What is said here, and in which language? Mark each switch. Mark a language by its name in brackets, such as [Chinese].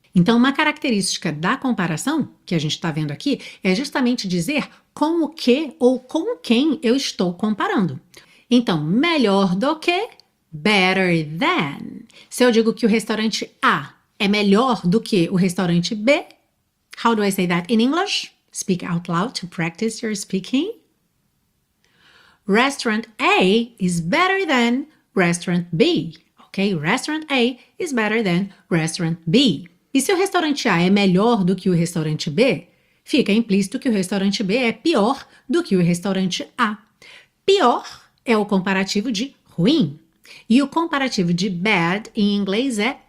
[Portuguese] Então, uma característica da comparação que a gente está vendo aqui é justamente dizer com o que ou com quem eu estou comparando. Então, melhor do que, better than. Se eu digo que o restaurante A é melhor do que o restaurante B, [English] how do I say that in English? Speak out loud to practice your speaking. Restaurant A is better than restaurant B. Ok? Restaurant A is better than restaurant B. [Portuguese] E se o restaurante A é melhor do que o restaurante B, fica implícito que o restaurante B é pior do que o restaurante A. Pior é o comparativo de ruim. E o comparativo de bad em inglês é